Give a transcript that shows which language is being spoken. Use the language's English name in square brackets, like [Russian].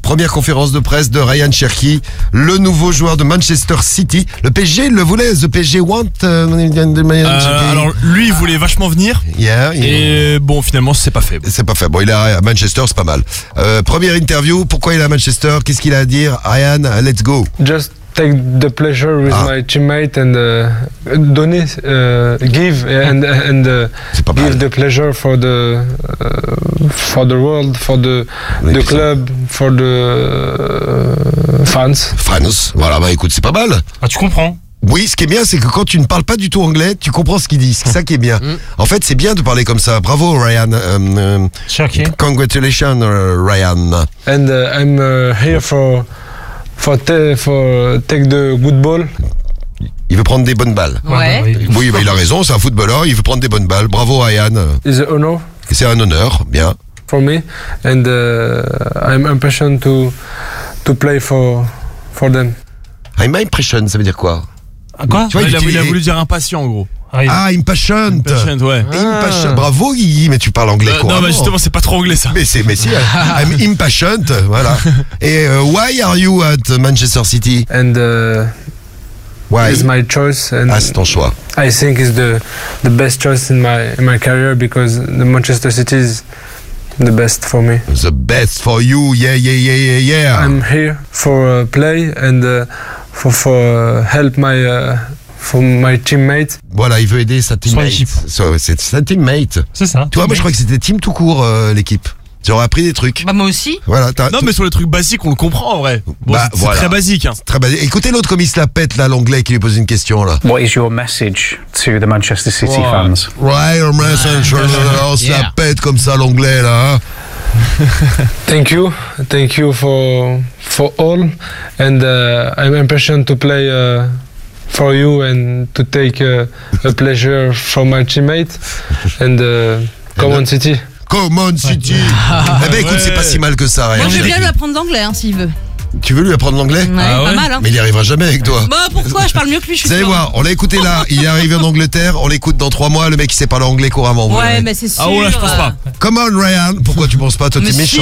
[French] Première conférence de presse de Ryan Cherki, le nouveau joueur de Manchester City. Le PSG le voulait, [English] the PSG want [French] Alors lui, il voulait vachement venir. Bon, finalement, c'est pas fait. C'est pas fait. Bon, il est à Manchester, c'est pas mal. Première interview, pourquoi il est à Manchester? Qu'est-ce qu'il a à dire? [English] Ryan, let's go. Just take the pleasure with my teammate and donner, give and give the pleasure for the world, for the club, for the fans. [French] Fans, voilà, bah écoute, c'est pas mal. Ah, tu comprends? Oui, ce qui est bien, c'est que quand tu ne parles pas du tout anglais, tu comprends ce qu'il dit. C'est ça qui est bien. En fait, c'est bien de parler comme ça. Bravo, Ryan. Cherki. [English] Congratulations, Ryan. And I'm here for. Take the good ball. [French] Il veut prendre des bonnes balles. Ouais. Oui, bah, il a raison, c'est un footballeur, il veut prendre des bonnes balles. Bravo, Ryan. [English] It's an honor. [French] C'est un honneur, bien. [English] For me, and I'm impatient to play for them. I'm impatient, [French] ça veut dire quoi? Quoi? Tu vois, il a voulu dire impatient, en gros. Ah, impatient. Impatient, ouais. Impatient. Bravo, Guigui, mais tu parles anglais, quoi. Non, mais justement, c'est pas trop anglais, ça. Mais c'est, si. [English] I'm impatient, voilà. Et why are you at Manchester City? And why? It's my choice. And [French] ah, c'est ton choix. [English] I think it's the best choice in my career because the Manchester City is the best for me. The best for you, yeah. I'm here for play and for help my. For my teammate. [French] Voilà, il veut aider sa teammate. C'est sa teammate. C'est ça. Toi, moi, je crois que c'était team tout court, l'équipe. J'aurais appris des trucs. Bah, moi aussi. Voilà, mais sur les trucs basiques, on le comprend en vrai. Bon, bah, c'est voilà. Très basique. Hein. Très basique. Écoutez l'autre comme il se la pète, là, l'anglais qui lui pose une question, là. [English] What is your message to the Manchester City fans? Ryan, message. [French] On se la pète comme ça, l'anglais, là. [English] Thank you. Thank you for all. And I'm impatient to play. For you and to take a pleasure from my teammate and Common City. Common City. [French] Eh ben écoute, c'est pas si mal que ça. Moi, je vais bien lui apprendre l'anglais, hein, s'il veut. Tu veux lui apprendre l'anglais? Ouais, pas mal. Hein. Mais il n'y arrivera jamais avec toi. Bah pourquoi? Je parle mieux que lui. Vous allez voir, on l'a écouté là. Il est arrivé en Angleterre. On l'écoute dans 3 mois. Le mec, il sait parler anglais couramment. Ouais, mais c'est sûr. Ah ouais, je pense pas. [English] Come on, [French] Ryan. Pourquoi tu penses pas? Toi, t'es méchant.